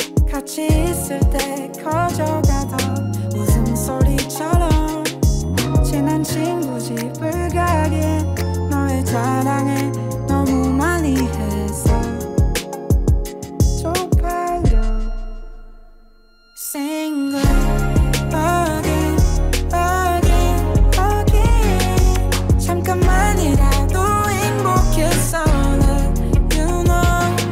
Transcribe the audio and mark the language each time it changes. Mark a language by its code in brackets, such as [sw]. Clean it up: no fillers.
[ko] 같이 있을 때 커져가던 웃음소리처럼 친한 친구 집을 가게. 사랑해 너무 많이 해서 쪽팔려. [en] Single again, again, again. [ko] 잠깐만이라도 행복했어. 난 you know,